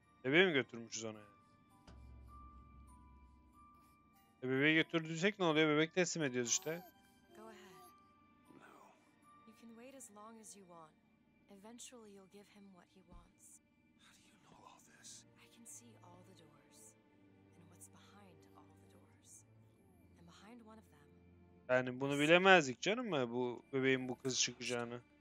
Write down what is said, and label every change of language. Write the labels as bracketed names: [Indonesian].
[Turkish] Ebeve mi götürmüşüz onu ya? Ebeveye götürdüysek ne oluyor? Bebek teslim ediyoruz işte. [English] Go ahead. No. You can wait as long as you want. Eventually you'll give him what he wants. How do you know all this? I can see all the doors and what's behind all the doors. And behind one of them. [Turkish] Yani bunu bilemezdik canım mı, bu bebeğin bu kız çıkacağını.